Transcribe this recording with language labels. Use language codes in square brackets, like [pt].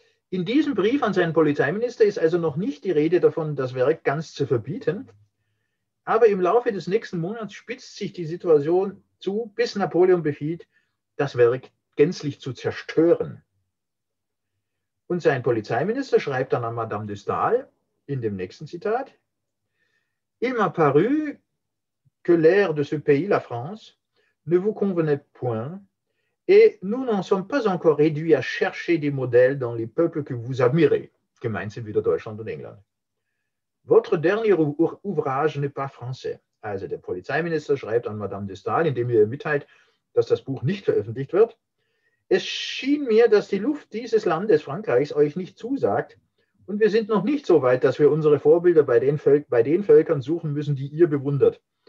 [de] In diesem Brief an seinen Polizeiminister ist also noch nicht die Rede davon, das Werk ganz zu verbieten. Aber im Laufe des nächsten Monats spitzt sich die Situation zu, bis Napoleon befiehlt, das Werk gänzlich zu zerstören. Und sein Polizeiminister schreibt dann an Madame de Staël in dem nächsten Zitat: [fr] Il m'a paru que l'air de ce pays, la France, ne vous convenait point, et nous n'en sommes pas encore réduits à chercher des modèles dans les peuples que vous admirez. [de] Gemeint sind wieder Deutschland und England. [fr] Votre dernier ouvrage n'est pas français. [de] Also der Polizeiminister schreibt an Madame de Staël, indem er mitteilt, dass das Buch nicht veröffentlicht wird: Es schien mir, dass die Luft dieses Landes Frankreichs euch nicht zusagt, und wir sind noch nicht so weit, dass wir unsere Vorbilder bei den Völkern suchen müssen, die ihr bewundert.